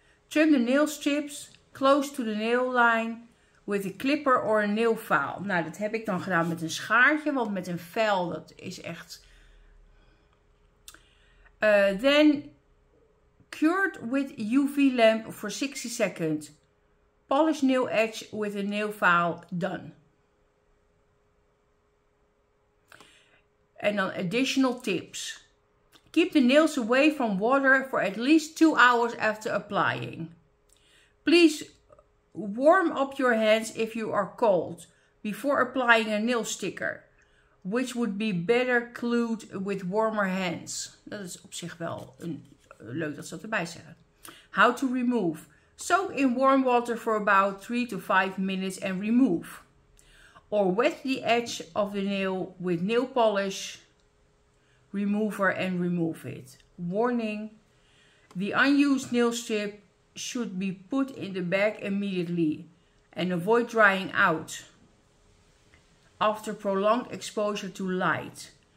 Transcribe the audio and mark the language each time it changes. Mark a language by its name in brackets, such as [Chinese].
[English] Trim the nail strips close to the nail line with a clipper or a nail file. [Dutch] Nou, dat heb ik dan gedaan met een schaartje, want met een vel, dat is echt. [English] Then cured with UV lamp for 60 seconds. Polish nail edge with a nail file, done. [Dutch] En dan [English] additional tips. Keep the nails away from water for at least 2 hours after applying. Please warm up your hands if you are cold before applying a nail sticker, which would be better glued with warmer hands. [Dutch] Dat is op zich wel leuk dat ze dat erbij zeggen. [English] How to remove. Soak in warm water for about 3 to 5 minutes and remove. Or wet the edge of the nail with nail polish remover and remove it. Warning, the unused nail strip should be put in the bag immediately and avoid drying out after prolonged exposure to light.